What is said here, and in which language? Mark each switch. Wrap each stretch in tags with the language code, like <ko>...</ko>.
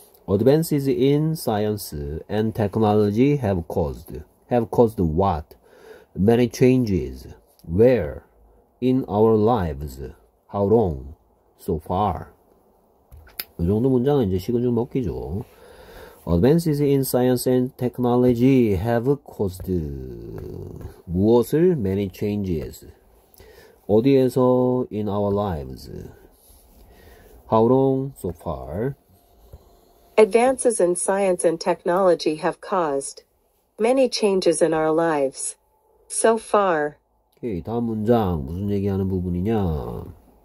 <en>Advances in science and technology have caused. Have caused what? Many changes. Where? In our lives. How long? So far.</en> <ko>이 정도 문장은 이제 식은 죽 먹기죠.</ko> <en>Advances in science and technology have caused</en> <ko>무엇을?</ko> <en>Many changes.</en> <ko>어디에서?</ko> <en>In our lives. How long? So far. Advances in science and technology have caused many changes in our lives. So far.</en> <ko>오케이, 다음 문장 무슨 얘기하는 부분이냐?</ko>